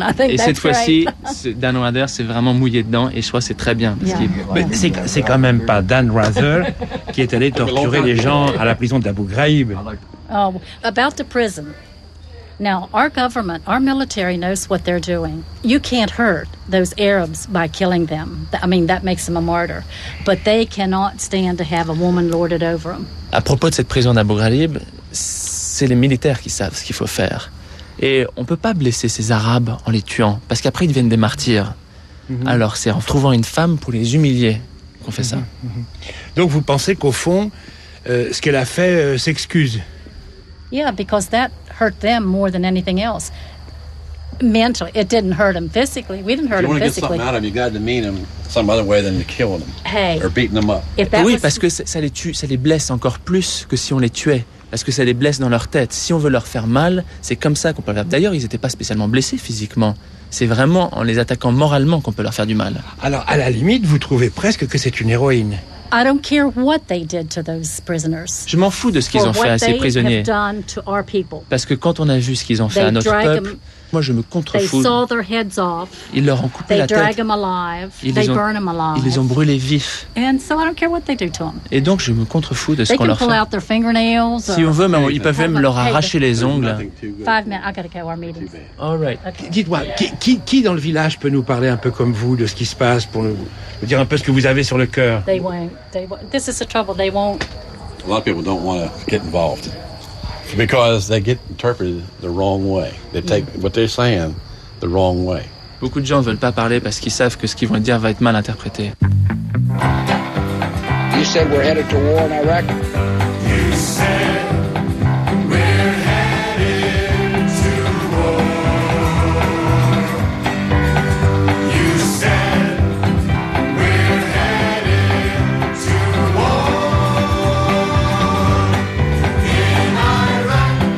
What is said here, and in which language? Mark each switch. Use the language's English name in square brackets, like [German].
[French] Et cette fois-ci, Dan Rather s'est vraiment mouillé dedans et je crois que c'est très bien. C'est quand même pas Dan Rather qui est allé torturer les gens à la prison d'Abu Ghraib. [English] About the prison. Now, our government, our military knows what they're doing. You can't hurt those Arabs by killing them. I mean, that makes them a martyr. But they cannot stand to have a woman lorded over them. [French] À propos de cette prison d'Abu Ghraib, c'est les militaires qui savent ce qu'il faut faire. Et on peut pas blesser ces Arabes en les tuant, parce qu'après ils deviennent des martyrs. Mm-hmm. Alors c'est en trouvant une femme pour les humilier qu'on fait ça. Mm-hmm. Donc vous pensez qu'au fond, ce qu'elle a fait s'excuse? [English] Yeah, because that hurt them more than anything else. Mentally, it didn't hurt them physically. We didn't hurt them physically. If you want to get something out of them, you got to demean them some other way than to kill them. Hey. Or beating them up. [French] Parce que ça les tue, ça les blesse encore plus que si on les tuait. Parce que ça les blesse dans leur tête. Si on veut leur faire mal, c'est comme ça qu'on peut leur faire. D'ailleurs, ils n'étaient pas spécialement blessés physiquement. C'est vraiment en les attaquant moralement qu'on peut leur faire du mal. Alors, à la limite, vous trouvez presque que c'est une héroïne. [English] I don't care what they did to those prisoners. [French] Je m'en fous de ce qu'ils ont fait à ces prisonniers. [English] Have done to our people. [French] Parce que quand on a vu ce qu'ils ont fait à notre peuple, Moi, je me contrefous. [English] They saw their heads off. [French] Ils leur ont coupé [English] they [French] la tête. [English] Drag them alive. [French] Ils les ont [English] burned alive. [French] Ils les ont brûlés vifs. [English] And so I don't care what they do to them. [French] Et donc, je me contrefous de ce [English] they [French] qu'on leur fait. [English] They can pull out their fingernails. [French] Si on veut, mais ils peuvent même leur arracher les ongles. [English] 5 minutes. I gotta go. Our meeting. All right. Okay. [French] Dites-moi, qui dans le village peut nous parler un peu comme vous de ce qui se passe pour nous dire un peu ce que vous avez sur le cœur? [English] They won't. This is the trouble. They won't. A lot of people don't want to get involved because they get interpreted the wrong way. They take what they're saying the wrong way. [French] Beaucoup de gens veulent pas parler parce qu'ils savent que ce qu'ils vont dire va être mal interprété. [English] You said we're headed to war in Iraq. You said we're headed to war. You said we're headed to war in Iraq.